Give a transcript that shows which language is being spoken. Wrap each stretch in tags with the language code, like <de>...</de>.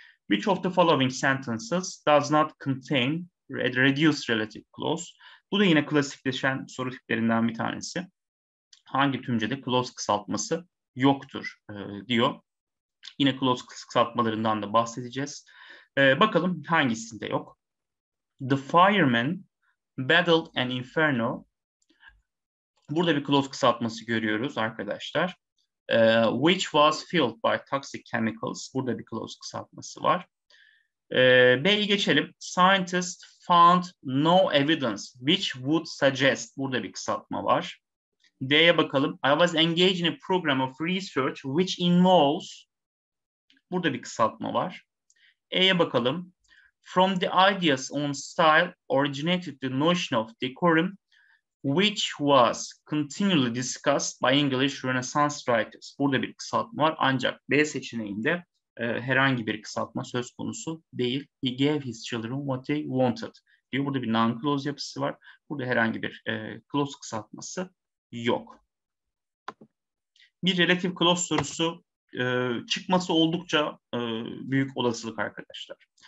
<en>Which of the following sentences does not contain reduced relative clause?</en> <tr>Bu da yine klasikleşen soru tiplerinden bir tanesi. Hangi tümcede clause kısaltması yoktur diyor. Yine clause kısaltmalarından da bahsedeceğiz. Bakalım hangisinde yok.</tr> <en>The fireman battled an inferno.</en> <tr>Burada bir clause kısaltması görüyoruz arkadaşlar.</tr> <en>Which was filled by toxic chemicals.</en> <tr>Burada bir clause kısaltması var. B'yi geçelim.</tr> <en>Scientists found no evidence which would suggest.</en> <tr>Burada bir kısaltma var. D'ye bakalım.</tr> <en>I was engaged in a program of research which involves.</en> <tr>Burada bir kısaltma var. E'ye bakalım.</tr> <en>From the ideas on style originated the notion of decorum, which was continually discussed by English Renaissance writers.</en> <tr>Burada bir kısaltma var. Ancak B seçeneğinde herhangi bir kısaltma söz konusu değil.</tr> <en>He gave his children what they wanted.</en> <tr>Diyor. Burada bir non-clause yapısı var. Burada herhangi bir clause kısaltması yok. Bir relative clause sorusu çıkması oldukça büyük olasılık arkadaşlar.</tr>